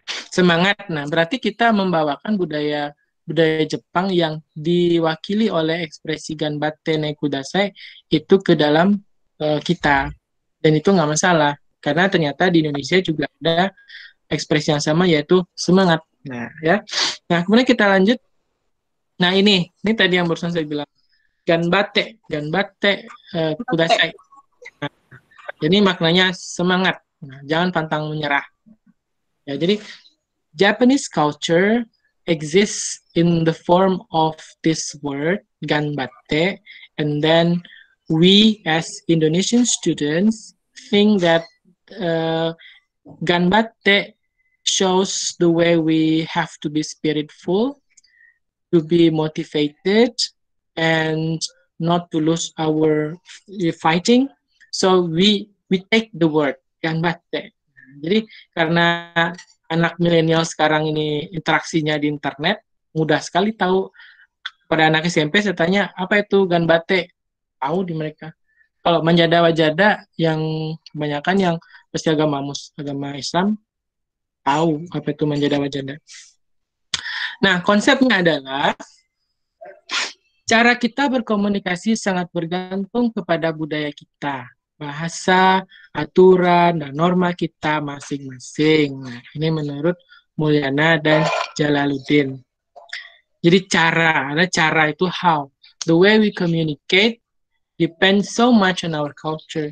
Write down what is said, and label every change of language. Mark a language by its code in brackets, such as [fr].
[id] Semangat, nah berarti kita membawakan budaya Jepang yang diwakili oleh ekspresi ganbate nekudasai itu ke dalam kita, dan itu gak masalah, karena ternyata di Indonesia juga ada ekspresi yang sama yaitu semangat. Nah, ya. Nah, kemudian kita lanjut. Nah, ini tadi yang barusan saya bilang. [ja] Ganbate kudasai. [id] Nah, ini maknanya semangat. Nah, jangan pantang menyerah. Ya, jadi [en] Japanese culture exists in the form of this word ganbate, and then we as Indonesian students think that ganbate shows the way we have to be spiritful, to be motivated, and not to lose our fighting. So we take the word ganbate. [id] Jadi karena anak milenial sekarang ini interaksinya di internet, mudah sekali tahu. Pada anak SMP saya tanya, apa itu ganbate? Tahu di mereka. Kalau manjada wajada, yang kebanyakan yang pasti agama Islam, tahu apa itu manjada wajada. Nah, konsepnya adalah cara kita berkomunikasi sangat bergantung kepada budaya kita, bahasa, aturan, dan norma kita masing-masing. Nah, ini menurut Mulyana dan Jalaluddin. Jadi cara itu how. [en] The way we communicate depends so much on our culture.